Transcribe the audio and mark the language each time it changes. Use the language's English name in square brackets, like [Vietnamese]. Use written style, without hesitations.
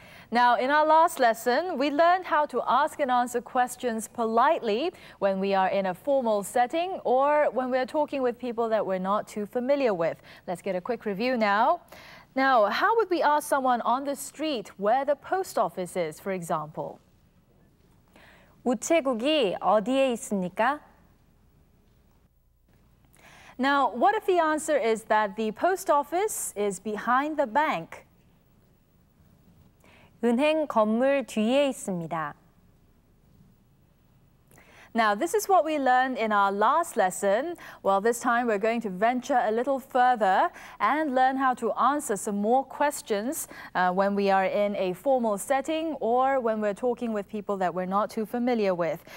[English] Now, in our last lesson, we learned how to ask and answer questions politely when we are in a formal setting or when we're talking with people that we're not too familiar with. Let's get a quick review now. Now, how would we ask someone on the street where the post office is, for example? [Korean] 우체국이 어디에 있습니까? [English] Now, what if the answer is that the post office is behind the bank? [Korean] 은행 건물 뒤에 있습니다. [English] Now, this is what we learned in our last lesson. Well, this time we're going to venture a little further and learn how to answer some more questions when we are in a formal setting or when we're talking with people that we're not too familiar with.